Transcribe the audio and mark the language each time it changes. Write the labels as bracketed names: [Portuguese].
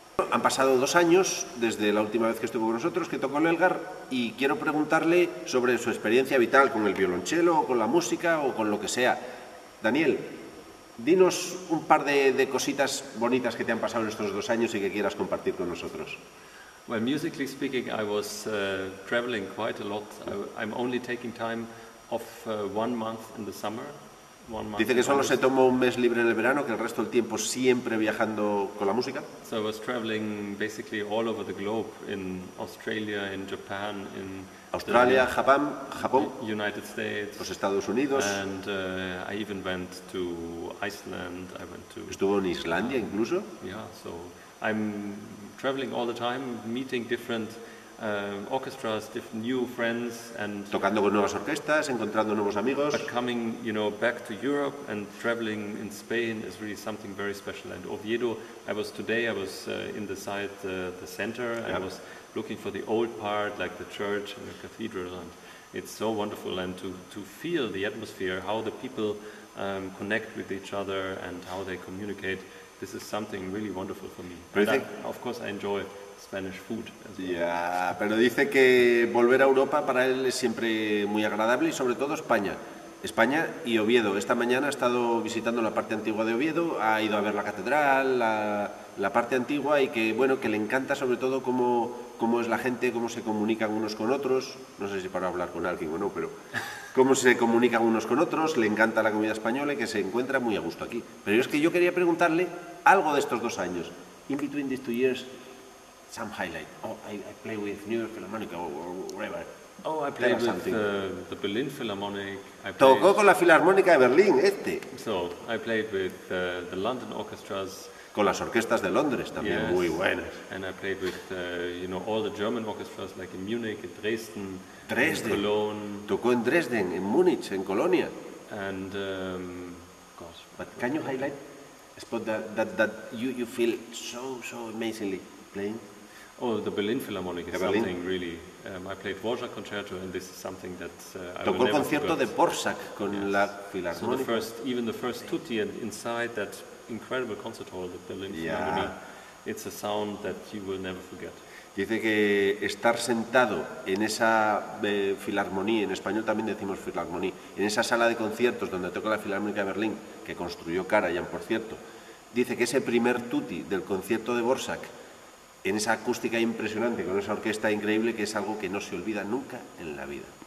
[Spanish] Han pasado dos años desde la última vez que estuvo con nosotros, que tocó el Elgar, y quiero preguntarle sobre su experiencia vital con el violonchelo, o con la música, o con lo que sea. Daniel, dinos un par de cositas bonitas que te han pasado en estos dos años y que quieras compartir con nosotros. [English] Well, musically speaking, I was traveling quite a lot. I'm only taking time off 1 month in the summer. [Spanish] Dice que solo se tomó un mes libre en el verano, que el resto del tiempo siempre viajando con la música. [English] So I was traveling basically all over the globe, in Australia, in Japan, in [Spanish] Australia, Japón, [English] United States, [Spanish] los Estados Unidos, [English] and I even went to Iceland. I went to [Spanish] estuvo en Islandia incluso. [English] Yeah, so I'm traveling all the time, meeting different orchestras, different new friends, and [Spanish] tocando con nuevas orquestas, encontrando nuevos amigos. [English] But coming, you know, back to Europe and traveling in Spain is really something very special. And Oviedo, I was in the side, the center. Yeah. I was looking for the old part, like the church and the cathedral, and it's so wonderful. And to feel the atmosphere, how the people connect with each other and how they communicate, this is something really wonderful for me. And of course, I enjoy Spanish food as well. [Spanish] Yeah, pero dice que volver a Europa para él es siempre muy agradable, y sobre todo España. España y Oviedo. Esta mañana ha estado visitando la parte antigua de Oviedo, ha ido a ver la catedral, la parte antigua, y que, bueno, que le encanta sobre todo cómo es la gente, cómo se comunican unos con otros. No sé si para hablar con alguien o no, pero cómo se comunican unos con otros, le encanta la comida española y que se encuentra muy a gusto aquí. Pero es que yo quería preguntarle algo de estos dos años. [English] In between these 2 years, some highlight. Oh, I play with New York Philharmonic or whatever. Oh, I played with the Berlin Philharmonic. [Spanish] Tocó con la Filarmónica de Berlín, este. [English] So, I played with the London orchestras. [Spanish] Con las orquestas de Londres, también, [English] yes, [Spanish] muy buenas. [English] And I played with, you know, all the German orchestras, like in Munich, in Dresden, Dresden, in Cologne. [Spanish] Tocó en Dresden, en Múnich, en Colonia. [English] And, gosh. But can you highlight a spot that you feel so, so amazingly playing? Oh, the Berlin Philharmonic is something really... I played Dvorak concerto, and this is something that I [Spanish] tocó el concierto de Dvorak con la Filarmónica. [English] So the first, even the first tutti, and inside that incredible concert hall, the Berlin Philharmonic, it's a sound that you will never forget. [Spanish] Dice que estar sentado en esa filarmonía, en español también decimos filarmonía, en esa sala de conciertos donde toca la Filarmónica de Berlín, que construyó Karajan, por cierto, dice que ese primer tutti del concierto de Dvorak, en esa acústica impresionante, con esa orquesta increíble, que es algo que no se olvida nunca en la vida.